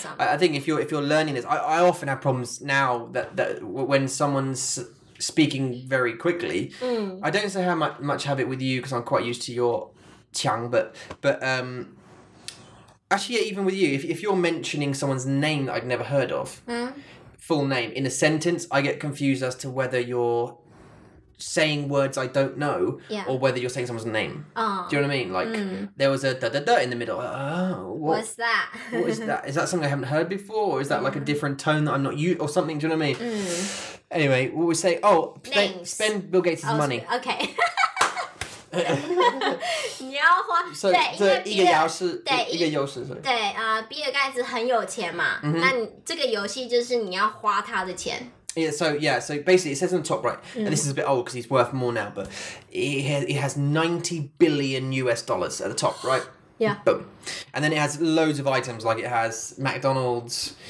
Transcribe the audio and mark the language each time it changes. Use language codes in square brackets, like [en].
[en] I think if you're learning this, I often have problems now that when someone's speaking very quickly, I don't say how much have it with you because I'm quite used to your qiang, but actually, yeah, even with you, if you're mentioning someone's name that I've never heard of, full name in a sentence, I get confused as to whether you're saying words I don't know or whether you're saying someone's name. Oh. Do you know what I mean? Like, there was a da da da in the middle. What's that? What is that? Is that something I haven't heard before? Or is that like a different tone that I'm not used or something? Do you know what I mean? Mm. Anyway, what we say, spend Bill Gates' money. Okay. [zh] 你要花，对，一个优势，对，一个优势，对，比尔盖茨很有钱嘛，那这个游戏就是你要花他的钱。 [en] Yeah, so basically it says on the top right, and this is a bit old because he's worth more now, but he has $90 billion at the top, right? Yeah. Boom. And then it has loads of items, like it has McDonald's,